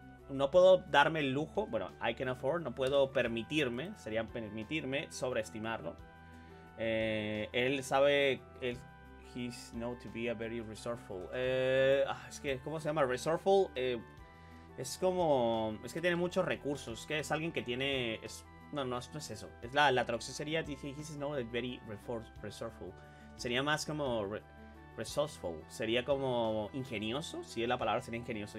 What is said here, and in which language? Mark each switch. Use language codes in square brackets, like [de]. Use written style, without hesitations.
[es] No puedo darme el lujo, bueno, [en] I can afford, [es] no puedo permitirme, sería permitirme sobreestimarlo. Él sabe, él, [en] he's known to be a very resourceful. [es] Es que, ¿cómo se llama? Resourceful, es como, es que tiene muchos recursos, es que es alguien que tiene, es, no es eso. Es la traducción sería, [en] he's known to be very resourceful. [es] Sería más como resourceful, sería como ingenioso, si es la palabra, sería ingenioso.